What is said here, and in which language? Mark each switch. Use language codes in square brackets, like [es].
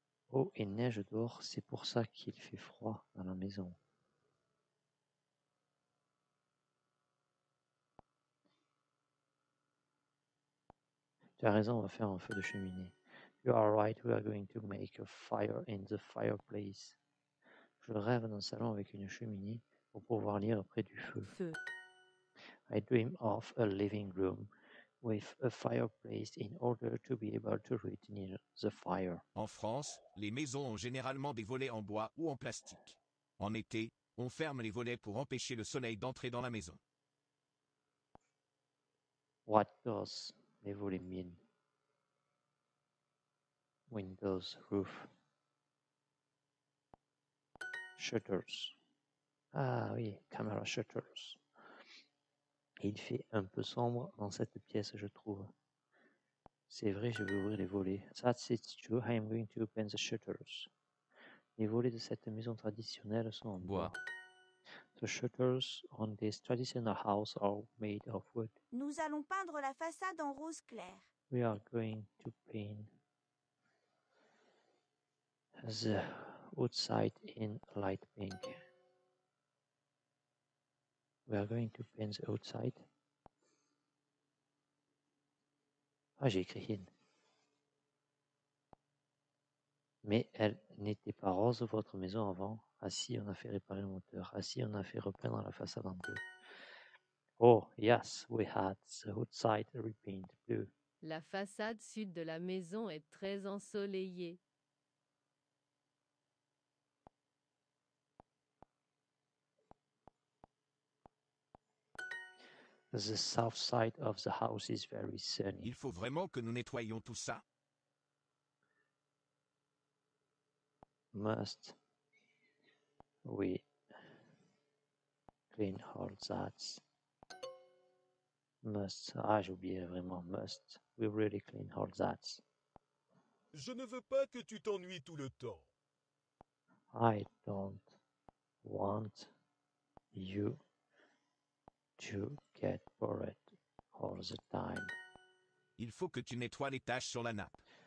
[fr] Oh, il neige dehors, c'est pour ça qu'il fait froid dans la maison. Tu as raison, on va faire un feu de cheminée. [en] You are right, we are going to make a fire in the fireplace. [fr] Je rêve d'un salon avec une cheminée pour pouvoir lire près du feu. Feu. [en] I dream of a living room with a fireplace in order to be able to read near the fire. [fr] En France, les maisons ont généralement des volets en bois ou en plastique. En été, on ferme les volets pour empêcher le soleil d'entrer dans la maison. [en] What does les volets mean? Windows, roof, shutters. [fr] Ah oui, [en] camera shutters. [fr] Il fait un peu sombre dans cette pièce, je trouve. C'est vrai, je vais ouvrir les volets. [en] That's it, true. I'm going to open the shutters. [fr] Les volets de cette maison traditionnelle sont en bois. [en] The shutters on this traditional house are made of wood. [fr] Nous allons peindre la façade en rose clair. [en] We are going to paint the outside in light pink. We are going to paint the outside. [fr] Ah, j'ai écrit in. Mais elle n'était pas rose, votre maison, avant. Ah si, on a fait réparer le moteur. Ah si, on a fait repeindre la façade en bleu. [en] Oh, yes, we had the outside repainted blue. [fr] La façade sud de la maison est très ensoleillée. [en] The south side of the house is very sunny. [fr] Il faut vraiment que nous nettoyions tout ça. [en] Must we clean all that? Must, [fr] ah, j'ai oublié vraiment, [en] must we really clean all that? [fr] Je ne veux pas que tu t'ennuies tout le temps. [en] I don't want you to get bored all the time. [fr] Il faut que tu nettoies les taches sur la nappe.